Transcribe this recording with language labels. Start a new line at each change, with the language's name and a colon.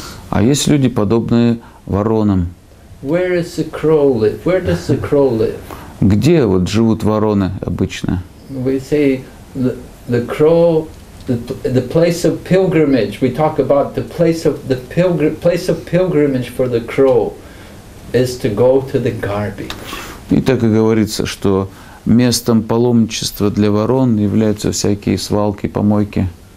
Russian: А есть люди, подобные воронам.
English: Where is the crow live? Where does the crow live?
Russian: Где вот живут вороны обычно?
English: We say the crow, the place of pilgrimage. We talk about the place of the place of pilgrimage for the crow is to go to the garbage.
Russian: И так и говорится, что местом паломничества для ворон являются всякие свалки, помойки.